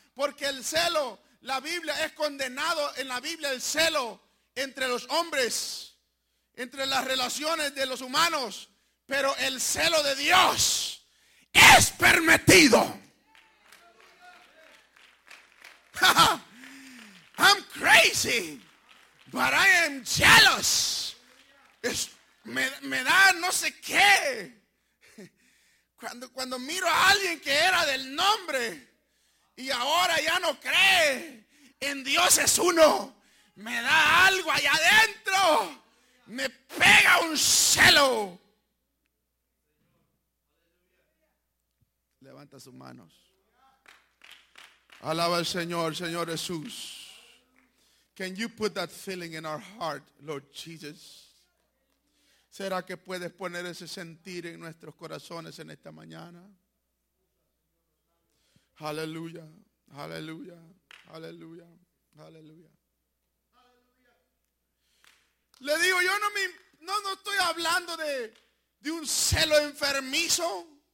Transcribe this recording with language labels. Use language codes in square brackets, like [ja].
[es] Porque el celo, la Biblia es condenado en la Biblia, el celo entre los hombres, entre las relaciones de los humanos. Pero el celo de Dios es permitido. [en] I'm crazy, but I am jealous. [es] Me da no sé qué. Cuando miro a alguien que era del nombre y ahora ya no cree en Dios es uno, me da algo allá adentro. Me pega un celo. Levanta sus manos. Alaba al Señor, Señor Jesús. [en] Can you put that feeling in our heart, Lord Jesus? [es] ¿Será que puedes poner ese sentir en nuestros corazones en esta mañana? Aleluya, aleluya, aleluya, aleluya. Le digo, yo no estoy hablando de un celo enfermizo.